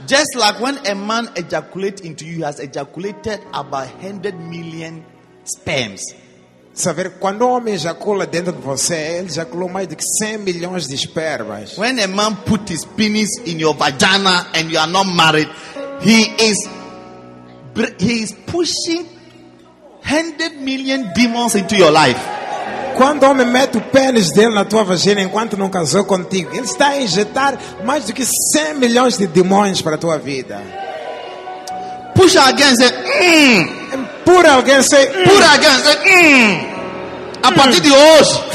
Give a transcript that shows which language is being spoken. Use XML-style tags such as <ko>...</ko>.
<en>just like when a man ejaculates into you, he has ejaculated about 100 million sperms.</en> <pt>Saber quando um homem ejacula dentro de você, ele ejaculou mais de 100 milhões de espermas.</pt> <en>When a man put his penis in your vagina and you are not married, he is pushing 100 million demons into your life.</en> <pt>Quando o homem mete o pênis dele na tua vagina enquanto não casou contigo, ele está a injetar mais do que 100 milhões de demônios para a tua vida. Puxa alguém e say, Empurra alguém e say, Empurra alguém e say, A partir de hoje,</pt>